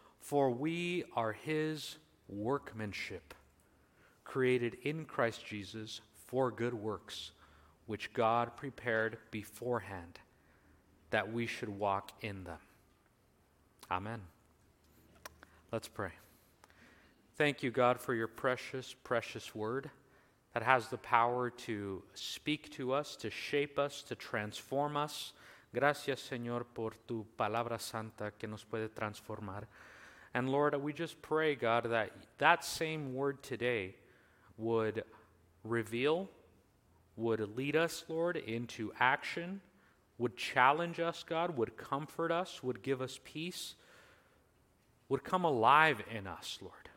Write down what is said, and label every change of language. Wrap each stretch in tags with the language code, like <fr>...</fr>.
<en>For we are his workmanship, created in Christ Jesus for good works, which God prepared beforehand that we should walk in them. Amen. Let's pray. Thank you, God, for your precious, precious word that has the power to speak to us, to shape us, to transform us.</en> <es>Gracias, Señor, por tu palabra santa que nos puede transformar.</es> <en>And Lord, we just pray, God, that that same word today would reveal, would lead us, Lord, into action, would challenge us, God, would comfort us, would give us peace, would come alive in us, Lord.</en>